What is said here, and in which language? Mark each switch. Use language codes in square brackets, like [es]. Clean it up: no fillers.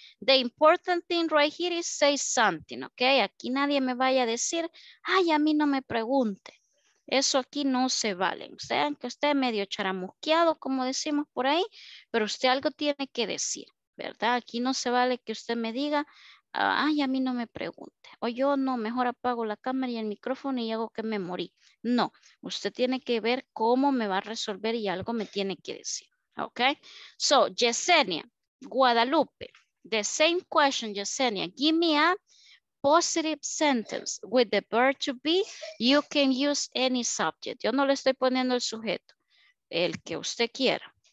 [en] The important thing right here is say something. [es] Okay, aquí nadie me vaya a decir, ay, a mí no me pregunte. Eso aquí no se vale. O sea, que usted medio charamusqueado, como decimos por ahí, pero usted algo tiene que decir. ¿verdad? Aquí no se vale que usted me diga, ay, a mí no me pregunte. O yo no, mejor apago la cámara y el micrófono y hago que me morí. No, usted tiene que ver cómo me va a resolver y algo me tiene que decir. [en] Ok, so Yesenia, Guadalupe, the same question, Yesenia. Give me a positive sentence with the verb to be. You can use any subject. [es] Yo no le estoy poniendo el sujeto, el que usted quiera.